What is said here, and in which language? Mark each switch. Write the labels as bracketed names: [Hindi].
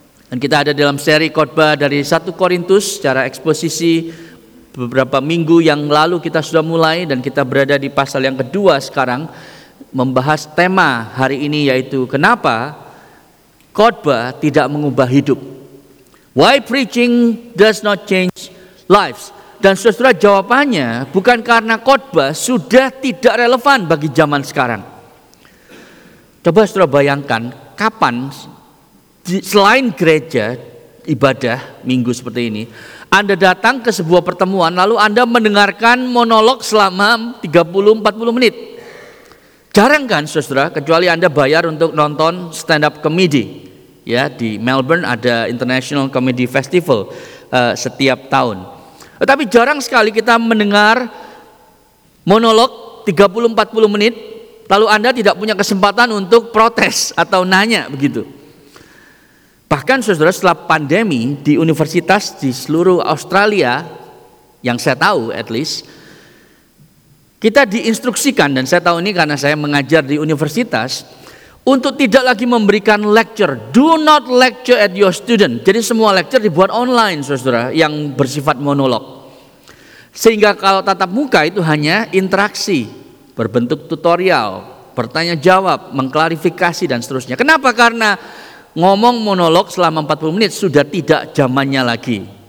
[Indonesian] Dan kita ada dalam seri khotbah dari 1 Korintus secara eksposisi. Beberapa minggu yang lalu kita sudah mulai dan kita berada di pasal yang kedua sekarang, membahas tema hari ini, yaitu kenapa khotbah tidak mengubah hidup. [English] Why preaching does not change lives? [Indonesian] Dan saudara, jawabannya bukan karena khotbah sudah tidak relevan bagi zaman sekarang. Coba saudara bayangkan, kapan selain gereja ibadah minggu seperti ini Anda datang ke sebuah pertemuan lalu Anda mendengarkan monolog selama 30-40 menit? Jarang kan saudara, kecuali Anda bayar untuk nonton stand up comedy. Ya, di Melbourne ada International Comedy Festival setiap tahun. Tetapi jarang sekali kita mendengar monolog 30-40 menit lalu Anda tidak punya kesempatan untuk protes atau nanya begitu. Bahkan saudara, setelah pandemi di universitas di seluruh Australia yang saya tahu [English] at least, [Indonesian] kita diinstruksikan, dan saya tahu ini karena saya mengajar di universitas, untuk tidak lagi memberikan lecture. [English] Do not lecture at your student. [Indonesian] Jadi semua lecture dibuat online, saudara, yang bersifat monolog. Sehingga kalau tatap muka itu hanya interaksi berbentuk tutorial, bertanya jawab, mengklarifikasi dan seterusnya. Kenapa? Karena ngomong monolog selama 40 menit sudah tidak zamannya lagi.